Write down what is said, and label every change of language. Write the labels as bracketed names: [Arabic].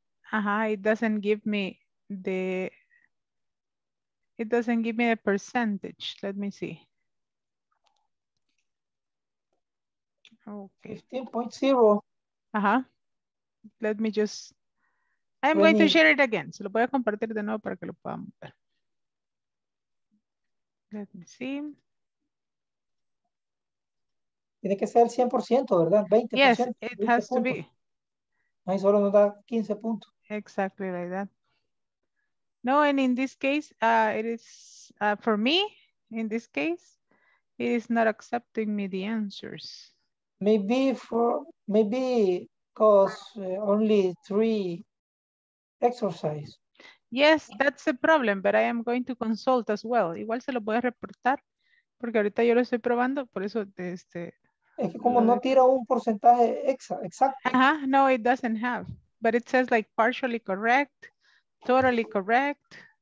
[English] It doesn't give me the, it doesn't give me a percentage. Let me see. Okay. 15.0. Let me just, I'm going to share it again. [Spanish] Se lo voy a compartir de nuevo para que lo puedan ver. [English] Let me see. [Spanish] Tiene que ser el 100%, ¿verdad? 20%. [English] Yes, it has to be. [Spanish] Ahí solo nos da 15 puntos. [English] Exactly like that. No, and in this case, it is, for me, in this case, it is not accepting me the answers. Maybe for, maybe cause only three exercise. Yes, that's the problem, but I am going to consult as well. [Spanish] Igual se lo voy a reportar, porque ahorita yo lo estoy probando, por eso este... Es que como no tira un porcentaje exacto. [English] No, it doesn't have. But it says like partially correct, totally correct.